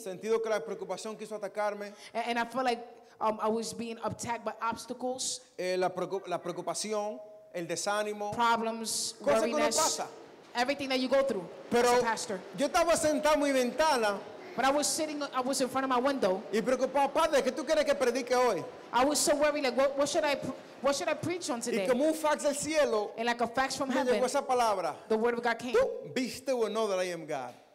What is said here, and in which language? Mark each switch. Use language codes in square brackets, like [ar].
[es] Sentido que la preocupación quiso atacarme. [en] And I felt like. I was being attacked by obstacles. [es] La preocupación, el desánimo, [en] problems, worriness, everything that you go through. [es] Pero [en] as a pastor. [es] Yo estaba sentado en mi ventana. [en] But I was in front of my window. [es] Y preocupado, padre, ¿qué tú quieres que predique hoy? [en] I was so worried, like what should I preach on today? [es] Y como un fax del cielo, [en] and like a fax from heaven, [es] llegó esa palabra, [en] the word of God came. [es] Tú, [en] be still and know that I am God.